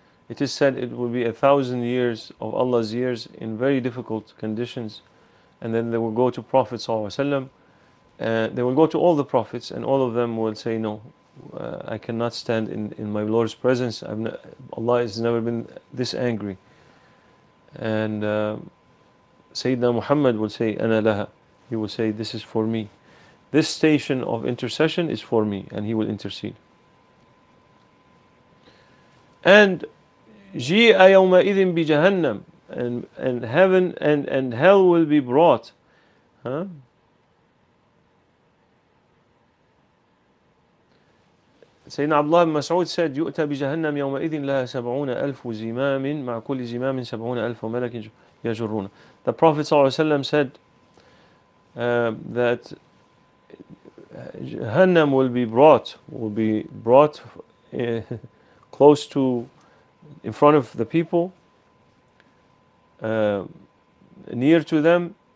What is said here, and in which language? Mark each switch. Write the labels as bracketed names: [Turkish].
[English] It is said it will be 1,000 years of Allah's years in very difficult conditions, and then they will go to Prophet ﷺ, they will go to all the prophets, and all of them will say, no, I cannot stand in my Lord's presence. Allah has never been this angry. And Sayyidina Muhammad will say, [Arabic] أنا لها. [English] He will say, this is for me. This station of intercession is for me, and he will intercede. And [Arabic] جِيءَ يَوْمَئِذٍ بِجَهَنَّمْ. [English] And heaven and hell will be brought. Sayyidina Abdullah ibn Mas'ud said, [Arabic] يُؤْتَى بِجَهَنَّمْ يَوْمَئِذٍ لَهَا 70,000 زِمَامٍ مَعْ كُلِّ زِمَامٍ 70,000 مَلَكٍ يَجُرُّونَ. [English] The Prophet ﷺ said that Jahannam will be brought close to, in front of the people, near to them.